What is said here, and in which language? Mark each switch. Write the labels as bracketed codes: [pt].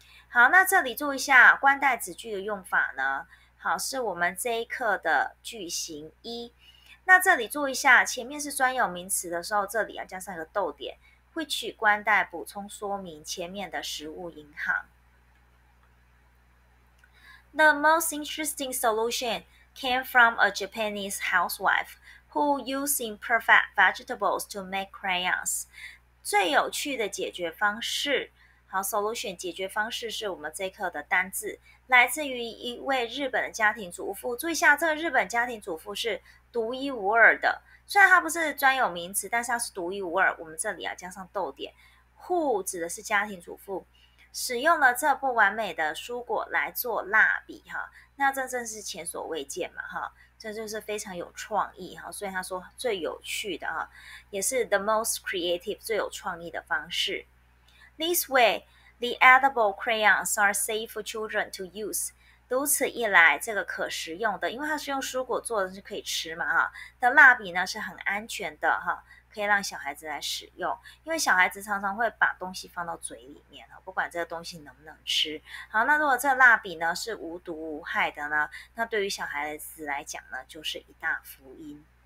[zh] 好，那这里注意一下冠带子句的用法呢。好，是我们这一课的句型一。那这里注意一下，前面是专有名词的时候，这里要加上一个逗点 ，which 冠带补充说明前面的食物银行。 [en] The most interesting solution came from a Japanese housewife who used imperfect vegetables to make crayons. [zh] 最有趣的解决方式，好 ，solution 解决方式是我们这课的单字，来自于一位日本的家庭主妇。注意一下，这个日本家庭主妇是独一无二的，虽然它不是专有名词，但是它是独一无二。我们这里要加上逗点 ，who 指的是家庭主妇。使用了这不完美的蔬果来做蜡笔哈，那这真是前所未见嘛哈，这就是非常有创意哈，所以他说最有趣的哈，也是 [en] the most creative [zh] 最有创意的方式。 [en] This way, the edible crayons are safe for children to use. [zh] 如此一来，这个可食用的，因为它是用蔬果做的，是可以吃嘛哈，的蜡笔呢是很安全的哈。可以让小孩子来使用，因为小孩子常常会把东西放到嘴里面，不管这个东西能不能吃。好，那如果这个蜡笔呢是无毒无害的呢，那对于小孩子来讲呢就是一大福音。